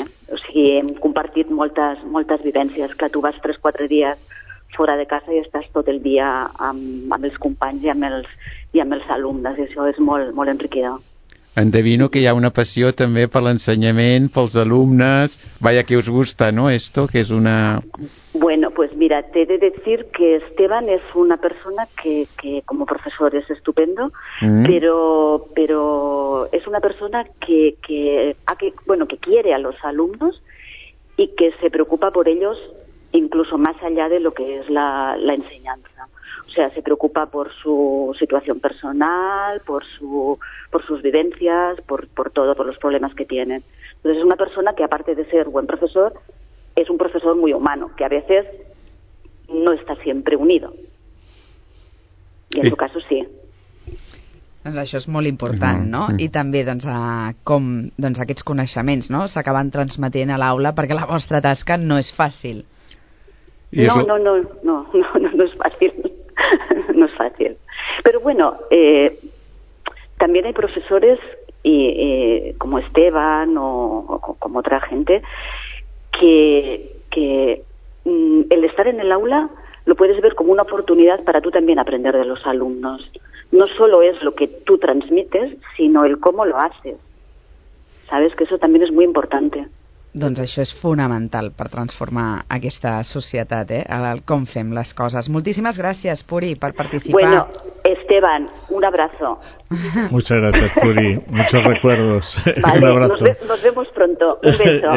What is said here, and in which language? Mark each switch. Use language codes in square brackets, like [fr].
[ca] O sigui, hem compartit moltes vivències, que tu vas 3-4 dies fora de casa i estàs tot el dia amb els companys i amb els alumnes, i això és molt, molt enriquidor. Endevino que hi ha una passió també per l'ensenyament, pels alumnes. [es] Vaya, que us gusta, no, esto, que és una... Bueno, pues mira, te he de decir que Esteban es una persona que como profesor es estupendo, pero es una persona que quiere a los alumnos y que se preocupa por ellos incluso más allá de lo que es la enseñanza. O sea, se preocupa por su situación personal, por sus vivencias, por todo, por los problemas que tienen. Entonces es una persona que, aparte de ser buen profesor, es un profesor muy humano, que a veces no está siempre unido. Y en su caso sí. [ca] Doncs això és molt important, no? I també doncs, com aquests coneixements, no?, s'acaben transmetent a l'aula, perquè la vostra tasca no és fàcil. No és fàcil. [es] No es fácil. Pero bueno, también hay profesores como Esteban o como otra gente que el estar en el aula lo puedes ver como una oportunidad para tú también aprender de los alumnos. No solo es lo que tú transmites, sino el cómo lo haces. ¿Sabes? Que eso también es muy importante. [ca] Doncs això és fonamental per transformar aquesta societat, el com fem les coses. Moltíssimes gràcies, Puri, per participar. [es] Bueno, Esteban, un abrazo. Muchas gracias, Puri. Muchos recuerdos. Vale, un abrazo. Nos vemos pronto. Un beso.